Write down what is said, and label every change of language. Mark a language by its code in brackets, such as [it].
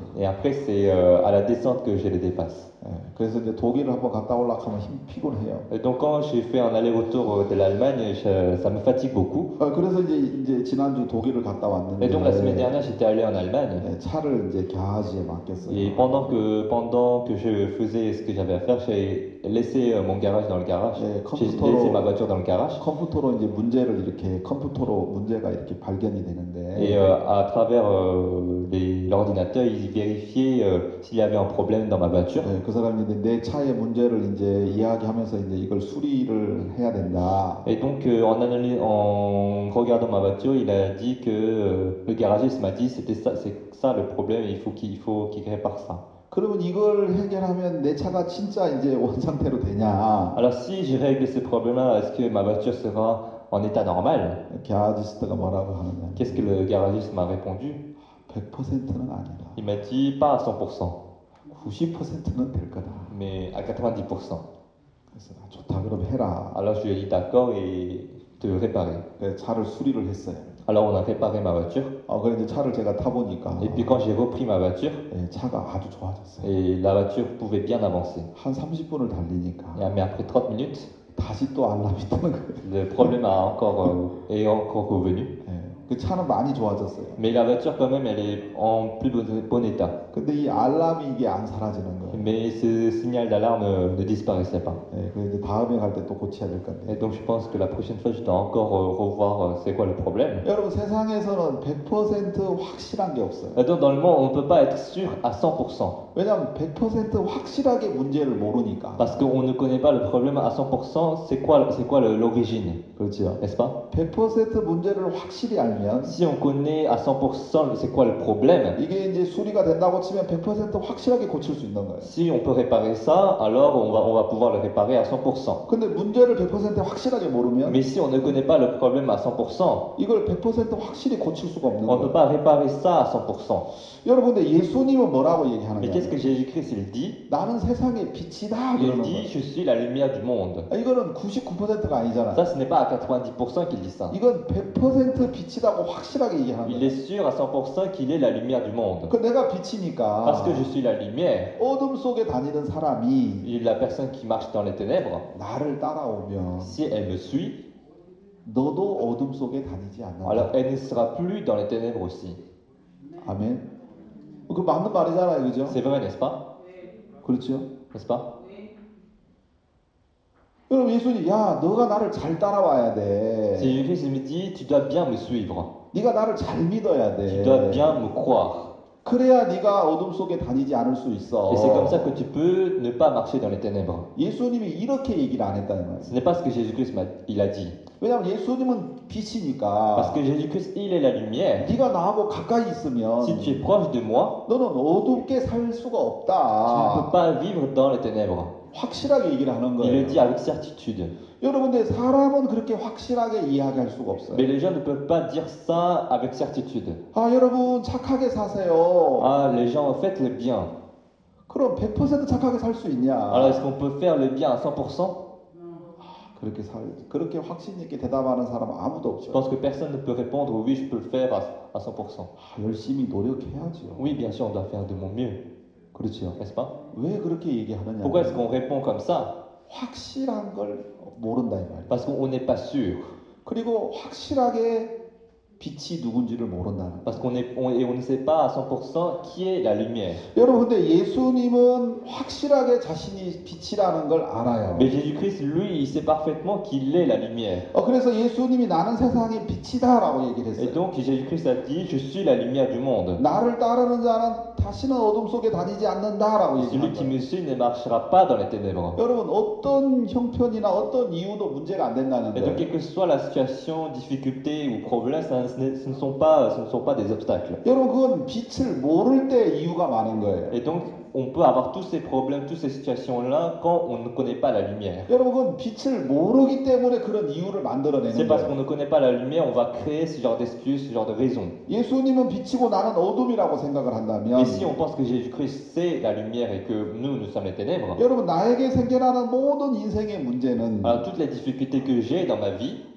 [fr] Et après c'est à la descente que je les dépasse. [ko] 예, 그래서 이제 독일을 한번 갔다 올라가면 힘 피곤해요. [fr] Et donc quand j'ai fait un aller-retour de l'Allemagne, ça me fatigue beaucoup. [ko] 아, 그래서 이제 지난주 독일을 갔다 왔는데. [fr] Et donc la semaine dernière, j'étais allé en Allemagne. [ko] 예, 차를 이제 garage에 맡겼어요. [fr] Et pendant que je faisais ce que j'avais à faire, j'ai laissé mon garage dans le garage. [ko] 예, 컴퓨터로, [fr] j'ai laissé ma voiture dans le garage. [ko] 컴퓨터로 이제 문제를 이렇게 컴퓨터로 문제가 이렇게 발견이 되는데. [fr] Et à travers l'ordinateur, ils vérifiaient s'il y avait un problème dans ma voiture. [ko] 예, 그 사람이 내 차의 문제를 이제 이야기하면서 이제 이걸 수리를 해야 된다. [fr] Et donc en regardant ma voiture, il a dit que le garagiste m'a dit c'était ça c'est ça le problème, il faut qu'il répare ça. [ko] 그러면 이걸 해결하면 내 차가 진짜 이제 원상태로 되냐? [fr] Alors si je règle ce problème-là, est-ce que ma voiture sera en état normal? [ko] 가디스트가 뭐라고 하냐? [fr] Qu'est-ce que le garagiste m'a répondu? [ko] 100%는 아니다. [fr] Il m'a dit pas à 100%. [ko] 90%는 될 거다. [fr] Mais à 90%. [ko] 그래서 아, 좋다 그럼 해라. [fr] Alors je lui ai dit d'accord et de réparer. [ko] 차를 수리를 했어요. [fr] Alors on a réparé ma voiture. [ko] 아 그런데 차를 제가 타보니까. [fr] Et puis quand j'ai repris ma voiture. [ko] 예, 차가 아주 좋아졌어요. [fr] Et la voiture pouvait bien avancer. [ko] 한 30분을 달리니까. [fr] Et mais après 30 minutes. [ko] 다시 또 알람이 뜨는 거예요. [fr] Le problème est encore revenu. [ko] 그 차는 많이 좋아졌어요. [fr] Mais la voiture quand même elle est en plus bon état. [ko] 근데 이 알람이 이게 안 사라지는 거예요. [fr] Mais ce signal d'alarme ne disparaissait pas. [ko] 예, 그래서 다음에 갈 때 또 고쳐야 될 건데. [fr] Et donc je pense que la prochaine fois je dois encore revoir c'est quoi le problème. [ko] 여러분 세상에서는 100% 확실한 게 없어요. [fr] Et donc normalement on peut pas être sûr à 100%. [ko] 왜냐면 100% 확실하게 문제를 모르니까. [fr] Parce qu'on ne connaît pas le problème à 100%, c'est quoi l'origine. [ko] 그렇죠. [fr] N'est-ce pas? [ko] 100% 문제를 확실히 알면 아니면 [fr] si on connaît à 100% c'est quoi le problème [ko] 이게 이제 수리가 된다고 치면 100% 확실하게 고칠 수 있는 거예요. [fr] Si on peut réparer ça, alors on va pouvoir le réparer à 100%. [ko] 근데 문제를 100% 확실하게 모르면 [fr] Mais si on ne connaît pas le problème à 100% [ko] 이걸 100% 확실히 고칠 수가 없는 거예요. [fr] On ne peut pas réparer ça à 100%. [ko] 여러분들 예수님은 뭐라고 얘기하는 거예요? [fr] Mais qu'est-ce que Jésus-Christ il dit? [ko] 나는 세상의 빛이다. [fr] Il dit je suis la lumière du monde. [ko] 이거는 99%가 아니잖아. [fr] Ça ce n'est pas à 90% qu'il dit ça. [ko] 이건 100% 빛이라고 확실하게 얘기하는. [fr] Il est sûr à 100% qu'il est la lumière du monde. [ko] 그 내가 빛이니까. [fr] Parce que je suis la lumière. [ko] 어둠 속에 다니는 사람이. [fr] La personne qui marche dans les ténèbres. [ko] 나를 따라오면. [fr] Si elle me suit. [ko] 너도 어둠 속에 다니지 않는다. [fr] Alors elle ne sera plus dans les ténèbres aussi. [ko] 아멘. 그 맞는 말이잖아요, 그죠? [fr] C'est vrai, n'est-ce pas? [ko] 그렇죠, [fr] n'est-ce pas? [ko] 그럼 예수님, 야, 너가 나를 잘 따라와야 돼. [fr] Si Jésus me dit, tu dois bien me suivre. [ko] 네가 나를 잘 믿어야 돼. [fr] Tu dois bien me croire. [ko] 그래야 네가 어둠 속에 다니지 않을 수 있어. [fr] Et c'est comme ça que tu peux ne pas marcher dans les ténèbres. [ko] 예수님이 이렇게 얘기를 안 했다는 거예요. [fr] Ce n'est pas ce que Jésus-Christ il a dit. [ko] 왜냐면 예수님은 빛이니까. [fr] Parce que Jésus-Christ il est la lumière. [ko] 네가 나하고 가까이 있으면. [fr] Si tu es proche de moi. [ko] 너는 어둡게 살 수가 없다. [fr] Tu ne peux pas vivre dans les ténèbres. [ko] 확실하게 얘기를 하는 거예요. [fr] Il le dit avec certitude. [ko] 여러분들 사람은 그렇게 확실하게 이야기할 수가 없어요. [fr] Mais les gens ne peuvent pas dire ça avec certitude. [ko] 아 여러분 착하게 사세요. [fr] Ah les gens faites le bien. [ko] 그럼 100% 착하게 살 수 있냐? [fr] Alors est-ce qu'on peut faire le bien à 100%? [ko] 그렇게 살 그렇게 확신 있게 대답하는 사람 아무도 없죠. [fr] Je pense que personne ne peut répondre oui je peux le faire à 100%. [ko] 아, 열심히 노력해야죠. [fr] Oui bien sûr on doit faire de mon mieux. [ko] 그렇죠. [fr] N'est-ce pas? [ko] 왜 그렇게 얘기하느냐? [fr] Pourquoi est-ce qu'on répond comme ça? [ko] 확실한 걸 모른다 이 말이야. [fr] Parce qu'on n'est pas sûr. [ko] 그리고 확실하게 빛이 누군지를 모른다는. [fr] Parce qu'on est on, et on ne sait pas à 100% qui est la lumière. [ko] 여러분, 근데 예수님은 확실하게 자신이 빛이라는 걸 알아요. [fr] Mais Jésus-Christ lui, il sait parfaitement qu'il est la lumière. [ko] 어, 그래서 예수님이 나는 세상의 빛이다라고 얘기를 했어요. [fr] Et donc Jésus-Christ a dit, je suis la lumière du monde. [ko] 나를 따르는 자는 다시는 어둠 속에 다니지 않는다라고 얘기를 했어요. [fr] Celui qui me suit ne marchera pas dans les ténèbres. [ko] 여러분, 어떤 형편이나 어떤 이유도 문제가 안 된다는 거예요. [fr] Et donc, quelle que soit la situation, difficulté ou problème, ce ne sont pas des obstacles. [ko] 여러분 그건 빛을 모를 때 이유가 많은 거예요. [fr] Et donc on peut avoir tous ces problèmes, toutes ces situations là quand on ne connaît pas la lumière. [ko] 여러분 그건 빛을 모르기 때문에 그런 이유를 만들어내는 거예요. [fr] C'est parce qu'on ne connaît pas la lumière, on va créer ce genre d'excuse, ce genre de raison. [ko] 예수님은 빛이고 나는 어둠이라고 생각을 한다면 [fr] Et si on pense que Jésus-Christ c'est la lumière et que nous sommes les ténèbres. [ko] 여러분 나에게 생겨나는 모든 인생의 문제는 [fr] Alors, toutes les difficultés que j'ai dans ma vie